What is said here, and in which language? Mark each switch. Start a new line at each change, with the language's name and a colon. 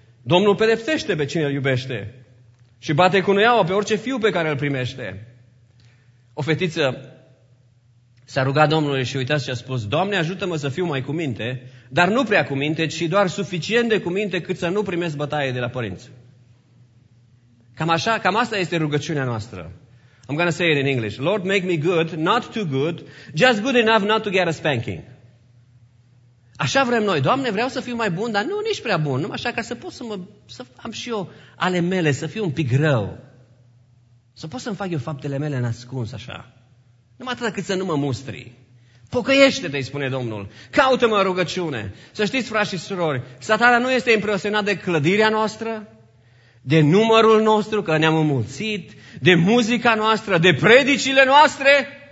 Romanian: Domnul pedepsește pe cine îl iubește și bate cu nuiaua pe orice fiu pe care îl primește. O fetiță s-a rugat Domnului și uitați ce a spus: Doamne, ajută-mă să fiu mai cu minte, dar nu prea cu minte, ci doar suficient de cu minte cât să nu primesc bătaie de la părinți. Cam așa, cam asta este rugăciunea noastră.
English: I'm going to say it in English. Lord, make me good, not too good, just good enough not to get a spanking.
Romanian: Așa vrem noi. Doamne, vreau să fiu mai bun, dar nu nici prea bun, numai așa ca să pot să am și eu ale mele, să fiu un pic rău. Să pot să-mi fac eu faptele mele nascuns așa. Numai atât cât să nu mă mustri. Pocăiește-te, îi spune Domnul. Caută-mă rugăciune. Să știți, frați și surori, Satana nu este impresionat de clădirea noastră, de numărul nostru, că ne-am înmulțit, de muzica noastră, de predicile noastre.